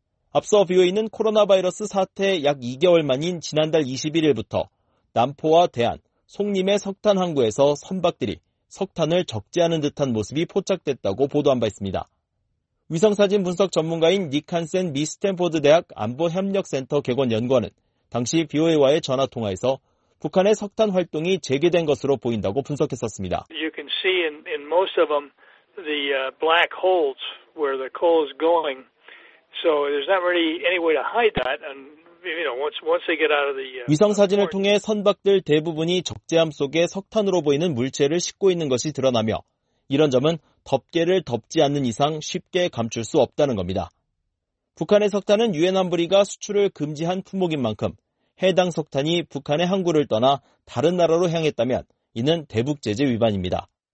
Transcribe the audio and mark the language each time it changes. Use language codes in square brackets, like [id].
[ko] 앞서 VOA는 코로나 바이러스 사태 약 2개월 만인 지난달 21일부터 남포와 대한, 송림의 석탄 항구에서 선박들이 석탄을 적재하는 듯한 모습이 포착됐다고 보도한 바 있습니다. 위성사진 분석 전문가인 닉 한센 미 스탠포드 대학 안보협력센터 객원 연구원은 당시 BOA와의 전화통화에서 북한의 석탄 활동이 재개된 것으로 보인다고 분석했었습니다. [en] You can see in most of them the black holes where the coal is going. So there's not really any way to hide that. And you know, once they get out of the [ko] 위성사진을 통해 선박들 대부분이 적재함 속에 석탄으로 보이는 물체를 싣고 있는 것이 드러나며 이런 점은 덮개를 덮지 않는 이상 쉽게 감출 수 없다는 겁니다. 북한의 석탄은 유엔 안보리가 수출을 금지한 품목인 만큼 해당 석탄이 북한의 항구를 떠나 다른 나라로 향했다면 이는 대북 제재 위반입니다.